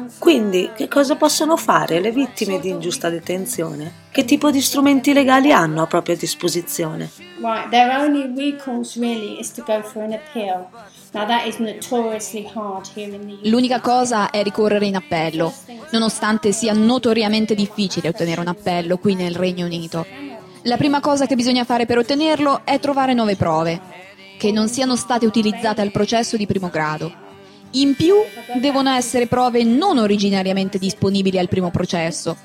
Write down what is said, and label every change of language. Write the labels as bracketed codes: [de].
[it] Quindi, che cosa possono fare le vittime di ingiusta detenzione? Che tipo di strumenti legali hanno a propria disposizione? [en] Right, their only recourse really is to go for an appeal. Now that is notoriously hard here in the UK. [it] L'unica cosa è ricorrere in appello, nonostante sia notoriamente difficile ottenere un appello qui nel Regno Unito. La prima cosa che bisogna fare per ottenerlo è trovare nuove prove, che non siano state utilizzate al processo di primo grado. In più, devono essere prove non originariamente disponibili al primo processo.